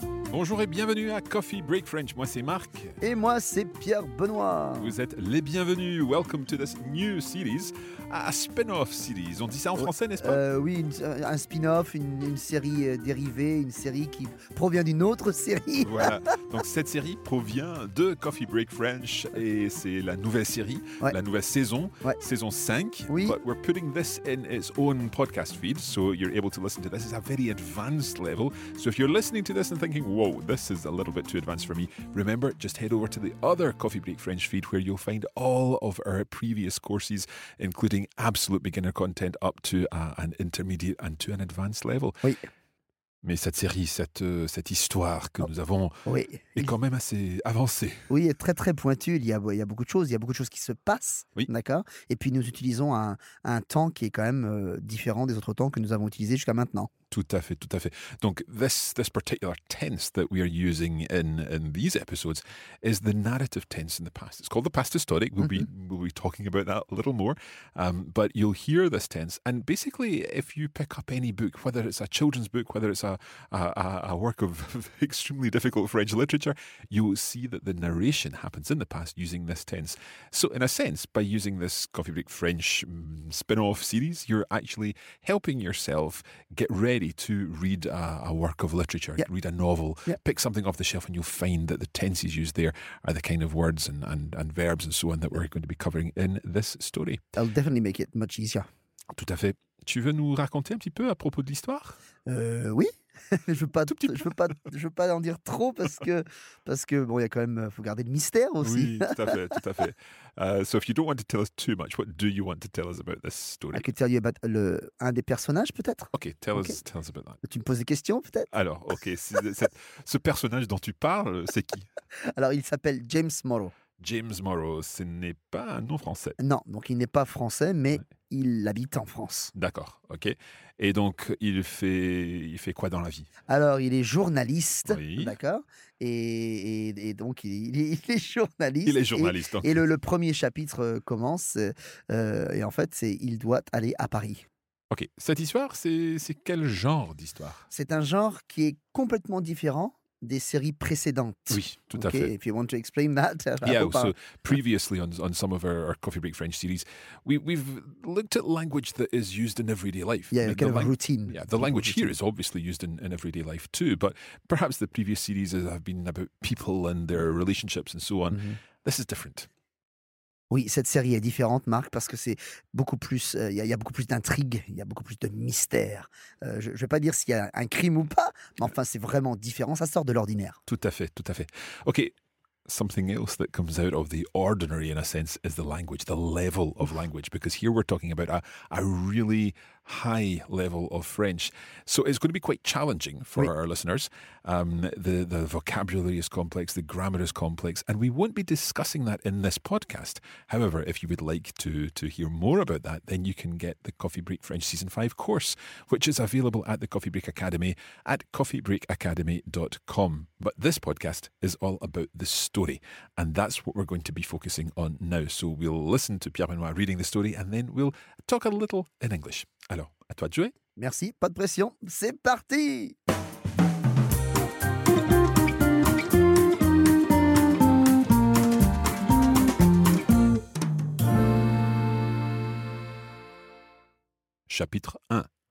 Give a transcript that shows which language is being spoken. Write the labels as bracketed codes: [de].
[fr] Bonjour et bienvenue à Coffee Break French. Moi, c'est Marc. Et moi, c'est Pierre Benoît. Vous êtes les bienvenus. [en] Welcome to this new series, a spin-off series. [fr] On dit ça en français, n'est-ce pas? Oui, un spin-off, une série dérivée, une série qui provient d'une autre série. Voilà. Donc, cette série provient de Coffee Break French et c'est la nouvelle série, ouais. La nouvelle saison, ouais. Saison 5. Oui. [en] But we're putting this in its own podcast feed, so you're able to listen to this. It's a very advanced level. So if you're listening to this and thinking, whoa, this is a little bit too advanced for me. Remember, just head over to the other Coffee Break French feed where you'll find all of our previous courses, including absolute beginner content up to an intermediate and to an advanced level. [fr] Oui. Mais cette série, cette histoire que nous avons est quand même assez avancée. Oui, très très pointue. Il y a beaucoup de choses. Il y a beaucoup de choses qui se passent. Oui. D'accord. Et puis nous utilisons un temps qui est quand même différent des autres temps que nous avons utilisés jusqu'à maintenant. Tout à fait, tout à fait. [en] Donc, this particular tense that we are using in these episodes is the narrative tense in the past. It's called the past historic. We'll be talking about that a little more. But you'll hear this tense. And basically, if you pick up any book, whether it's a children's book, whether it's a work of extremely difficult French literature, you will see that the narration happens in the past using this tense. So in a sense, by using this Coffee Break French spin-off series, you're actually helping yourself get ready to read a work of literature, yep. Read a novel, yep. Pick something off the shelf, and you'll find that the tenses used there are the kind of words and verbs and so on that we're going to be covering in this story. That'll definitely make it much easier. [fr] Tout à fait. Tu veux nous raconter un petit peu à propos de l'histoire? Oui, je veux pas en dire trop parce que bon, il y a quand même, faut garder le mystère aussi. Oui, tout à fait, tout à fait. [en] So if you don't want to tell us too much, what do you want to tell us about this story? I could tell you about [fr] un des personnages peut-être. [en] Okay, tell us about that. [fr] Tu me poses des questions peut-être? Alors, okay, ce personnage dont tu parles, c'est qui? Alors, il s'appelle James Morrow. James Morrow, ce n'est pas un nom français. Non, donc il n'est pas français, mais ouais. il habite en France. D'accord, ok. Et donc, il fait quoi dans la vie ? Alors, il est journaliste, oui. D'accord ? Et donc, il est journaliste. Il est journaliste. Et le premier chapitre commence, et en fait, il doit aller à Paris. Ok, cette histoire, c'est quel genre d'histoire ? C'est un genre qui est complètement différent des séries précédentes. Oui, tout à fait. [en] If you want to explain that. Yeah, so previously on some of our Coffee Break French series, we've looked at language that is used in everyday life. Yeah, kind of a routine. Yeah, the language here is obviously used in everyday life too, but perhaps the previous series have been about people and their relationships and so on. Mm-hmm. This is different. [fr] Oui, cette série est différente, Marc, parce que c'est beaucoup plus. Il y a beaucoup plus d'intrigues, il y a beaucoup plus de mystères. Je ne vais pas dire s'il y a un crime ou pas, mais enfin, c'est vraiment différent. Ça sort de l'ordinaire. Tout à fait, tout à fait. OK. [en] Something else that comes out of the ordinary, in a sense, is the language, the level of language, because here we're talking about a really high level of French. So it's going to be quite challenging for our listeners. The vocabulary is complex, the grammar is complex, and we won't be discussing that in this podcast. However, if you would like to hear more about that, then you can get the Coffee Break French Season 5 course, which is available at the Coffee Break Academy at coffeebreakacademy.com. But this podcast is all about the story, and that's what we're going to be focusing on now. So we'll listen to Pierre Benoit reading the story, and then we'll talk a little in English. [fr] Alors, à toi de jouer. Merci, pas de pression, c'est parti! Chapitre 1.